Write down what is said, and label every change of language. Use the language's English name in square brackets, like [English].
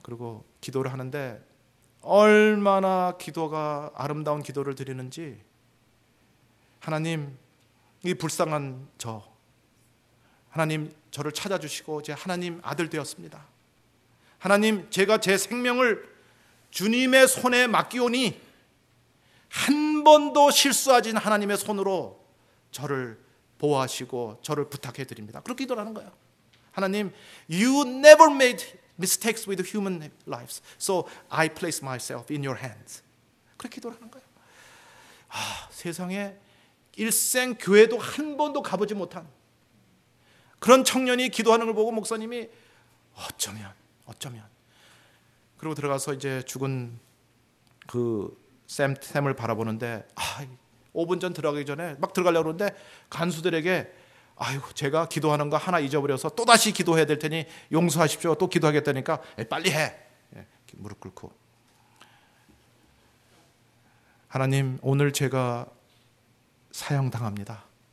[Korean] 그리고 기도를 하는데 얼마나 기도가 아름다운 기도를 드리는지 하나님 이 불쌍한 저 하나님 저를 찾아주시고 제 하나님 아들 되었습니다. 하나님 제가 제 생명을 주님의 손에 맡기오니 한 번도 실수하진 하나님의 손으로 저를 보호하시고 저를 부탁해 드립니다. 그렇게 기도하는 거예요. [English] 하나님 You never made mistakes with human lives. So I place myself in your hands. [Korean] 그렇게 기도하는 거예요. 아, 세상에 일생 교회도 한 번도 가보지 못한 그런 청년이 기도하는 걸 보고 목사님이 어쩌면 그리고 들어가서 이제 죽은 그 샘을 바라보는데 5분 전 들어가기 전에 막 들어가려고 그러는데 간수들에게 아이고 제가 기도하는 거 하나 잊어버려서 또다시 기도해야 될 테니 용서하십시오 또 기도하겠다니까 빨리 해 이렇게 무릎 꿇고 하나님 오늘 제가 사형당합니다.